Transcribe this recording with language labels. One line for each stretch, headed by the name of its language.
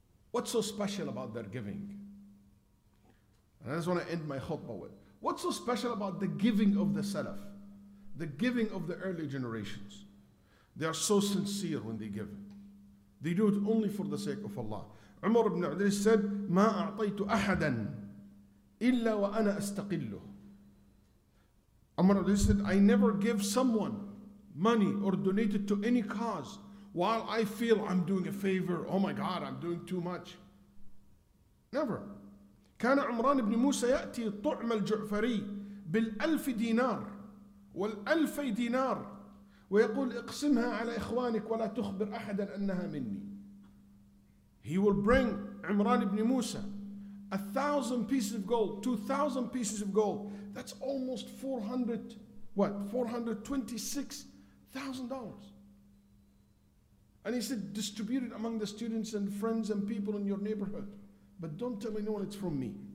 English: What's so special about their giving? And I just want to end my khutbah with, what's so special about the giving of the Salaf, the giving of the early generations? They are so sincere when they give. They do it only for the sake of Allah. Umar ibn Adil said,
Arabic: مَا أَعْطَيْتُ أَحَدًا إِلَّا وَأَنَا أَسْتَقِلُّهُ.
English: Umar ibn Adil said, I never give someone money or donate it to any cause while I feel I'm doing a favor. Oh my God, I'm doing too much. Never.
Arabic: كان عمران بن موسى يأتي طعم الجعفري بالألف دينار والألفي دينار ويقول اقسمها على إخوانك ولا تخبر أحدا أنها مني.
English: He will bring عمران بن موسى 1,000 pieces of gold, 2,000 pieces of gold. That's almost 426,000 dollars. And he said, distribute it among the students and friends and people in your neighborhood, but don't tell anyone it's from me.